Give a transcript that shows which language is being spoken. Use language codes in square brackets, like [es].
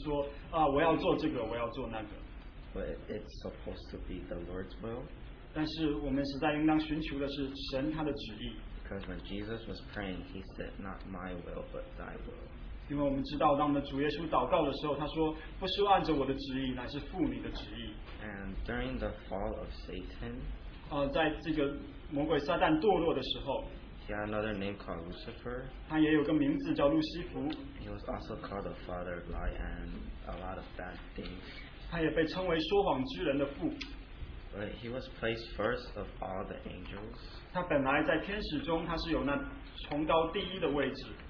[zh] 所以因此这世上的人他们也都是说我要做这个我要做那个。 [en] But it's supposed to be the Lord's will. [zh] 但是我们实在应当寻求的是神他的旨意。 [en] Because when Jesus was praying, he said not my will but thy will. [zh] 因为我们知道当我们的主耶稣祷告的时候，他说不是按着我的旨意，乃是父你的旨意。 [en] And during the fall of Satan, [zh] 在这个魔鬼撒旦堕落的时候， [en] he had another name called Lucifer. [zh] 他也有个名字叫路西弗。 [en] He was also called the father of lies and a lot of bad things. [zh] 他也被称为说谎之人的父。 [en] But he was placed first of all the angels. [zh] 他本来在天使中他是有那崇高第一的位置。